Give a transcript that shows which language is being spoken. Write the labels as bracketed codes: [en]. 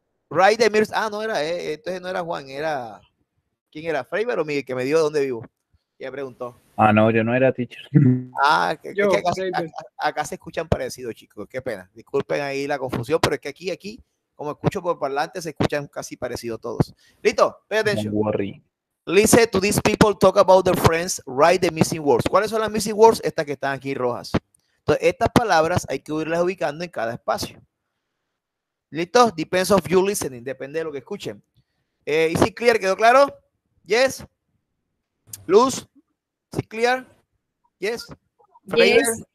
[es] Ray de Mirs. Ah, no era, entonces no era Juan, era... ¿Quién era? ¿Freiber o Miguel? Que me dijo dónde vivo. Y me preguntó. Ah, no, yo no era teacher. Ah, que acá se escuchan parecidos, chicos. Qué pena. Disculpen ahí la confusión, pero es que aquí, como escucho por parlante, se escuchan casi parecidos todos. Listo, [en] pay attention. Don't worry. Listen to these people talk about their friends, write the missing words. [es] ¿Cuáles son las missing words? Estas que están aquí rojas. Entonces, estas palabras hay que irlas ubicando en cada espacio. ¿Listo? [en] Depends of you listening. [es] Depende de lo que escuchen. [en] Is it clear? [es] ¿Quedó claro? [en] Yes. Luz. Is it clear? Yes. Freiber.